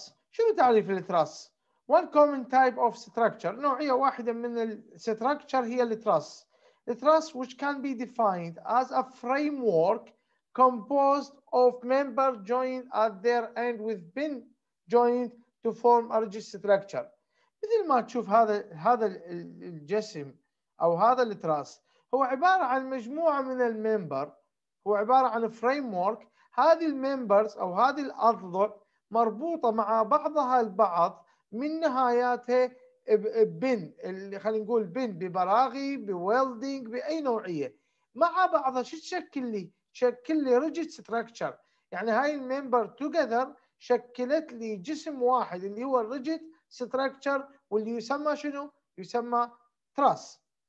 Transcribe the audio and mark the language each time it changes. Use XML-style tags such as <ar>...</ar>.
<ar>شنو تعريف التراس؟</ar> <en>One common type of structure،</en> <ar>نوعية واحدة من الستراكتشر هي التراس.</ar> <en>التراس which can be defined as a framework composed of member joined at their end with pin joined to form a rigid structure.</en> <ar>مثل ما تشوف هذا الجسم أو هذا التراس هو عبارة عن مجموعة من الممبر، هو عبارة عن framework. هذه الممبرز او هذه الاضلع مربوطه مع بعضها البعض من نهاياتها بن، اللي خلينا نقول بن ببراغي بويلدينج باي نوعيه مع بعضها، شو تشكل لي؟ تشكل لي ريجيد ستراكشر، يعني هاي الممبر توجذر شكلت لي جسم واحد اللي هو الريجيد ستراكشر، واللي يسمى شنو؟ يسمى تراس.</ar>